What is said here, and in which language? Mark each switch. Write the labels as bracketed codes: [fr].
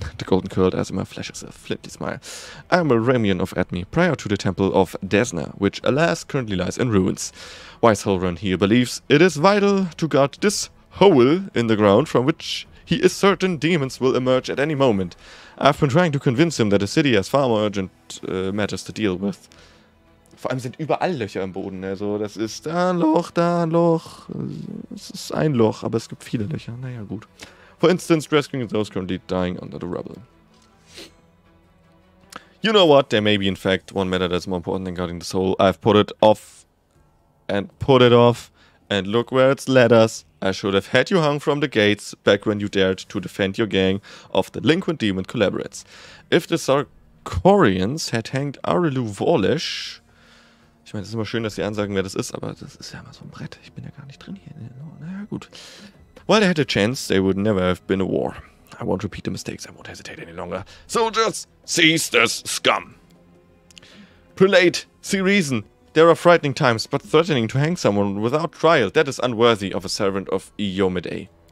[en] The golden curled azimuth flashes a flinty smile. I am a Ramian of Atmi, prior to the Temple of Desna, which, alas, currently lies in ruins. Wise HULRUN here believes it is vital to guard this hole in the ground from which he is certain demons will emerge at any moment. I've been trying to convince him that the city has far more urgent matters to deal with. [de] Vor allem sind überall Löcher im Boden. Also das ist da ein Loch. Es ist ein Loch, aber es gibt viele Löcher. Naja, gut. [en] For instance, rescuing those currently dying under the rubble. You know what? There may be, in fact, one matter that's more important than guarding the soul. I've put it off and put it off. And look where it's led us. I should have had you hung from the gates back when you dared to defend your gang of delinquent demon collaborates. If the Sarkorians had hanged Arilu Vorlesch... [de] Ich meine, es ist immer schön, dass sie ansagen, wer das ist, aber das ist ja immer so ein Brett. Ich bin ja gar nicht drin hier. Naja, gut. [en] While they had a chance, they would never have been a war. I won't repeat the mistakes. I won't hesitate any longer. Soldiers, seize this scum. Prelate, see reason. There are frightening times, but threatening to hang someone without trial, that is unworthy of a servant of Eomidae.